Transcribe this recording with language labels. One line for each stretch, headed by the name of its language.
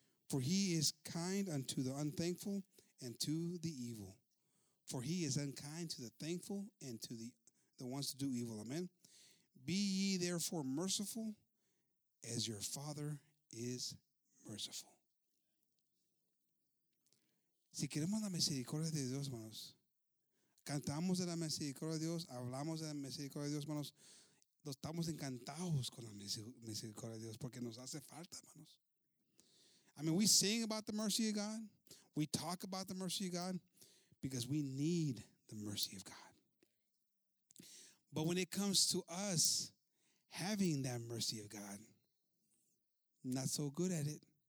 English: For he is kind unto the unthankful and to the evil. For he is unkind to the thankful and to the ones to do evil. Amen. Be ye therefore merciful as your Father is merciful.
Spanish: Si queremos la misericordia de Dios, hermanos, cantamos de la misericordia de Dios, hablamos de la misericordia de Dios, hermanos, estamos encantados con la misericordia de Dios porque nos hace falta, hermanos.
English: I mean, we sing about the mercy of God, we talk about the mercy of God because we need the mercy of God. But when it comes to us having that mercy of God, not so good at it.